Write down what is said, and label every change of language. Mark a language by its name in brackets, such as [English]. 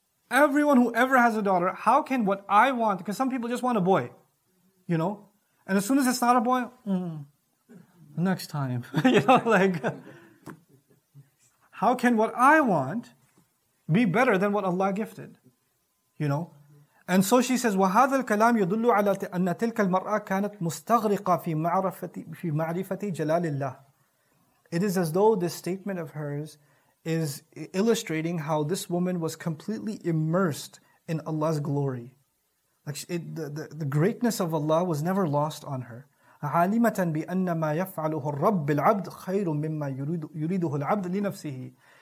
[English] Everyone who ever has a daughter, how can what I want, because some people just want a boy, you know? And as soon as it's not a boy, next time. You know, like, how can what I want be better than what Allah gifted? You know? And so she says, [Arabic] وَهَذَا الْكَلَامِ يَدُلُّ عَلَىٰ أَنَّ تِلْكَ الْمَرْأَىٰ كَانَتْ مُسْتَغْرِقَ فِي مَعْرِفَةِ جَلَالِ اللَّهِ. [English] It is as though this statement of hers is illustrating how this woman was completely immersed in Allah's glory. Like the greatness of Allah was never lost on her. [Arabic] عَالِمَةً بِأَنَّ مَا يَفْعَلُهُ الرَّبِّ الْعَبْدُ خَيْرٌ مِمَّا يُرِيدُهُ الْعَبْدُ لِنَفْسِهِ.